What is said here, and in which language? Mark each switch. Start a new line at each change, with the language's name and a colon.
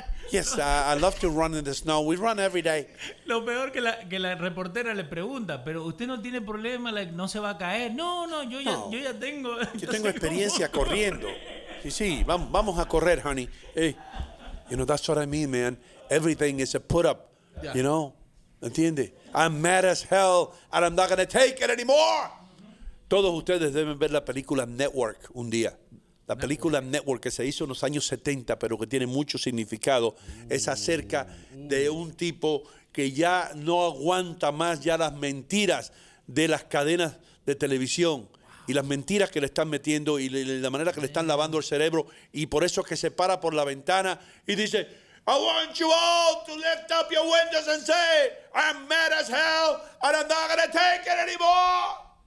English: Yes, I love to run in the snow. We run every day.
Spanish: Lo peor que la reportera le pregunta, pero usted no tiene problema, like, no se va a caer. No, yo ya tengo. Yo tengo experiencia corriendo. Sí, vamos a correr, honey.
English: Hey, you know, that's what I mean, man. Everything is a put up. Yeah. You know, entiende. I'm mad as hell and I'm not gonna take it anymore.
Spanish: Todos ustedes deben ver la película Network un día. La película Network, que se hizo en los años 70, pero que tiene mucho significado, es acerca de un tipo que ya no aguanta más ya las mentiras de las cadenas de televisión y las mentiras que le están metiendo y la manera que le están lavando el cerebro, y por eso es que se para por la ventana y dice,
English: I want you all to lift up your windows and say, I'm mad as hell and I'm not gonna take it anymore.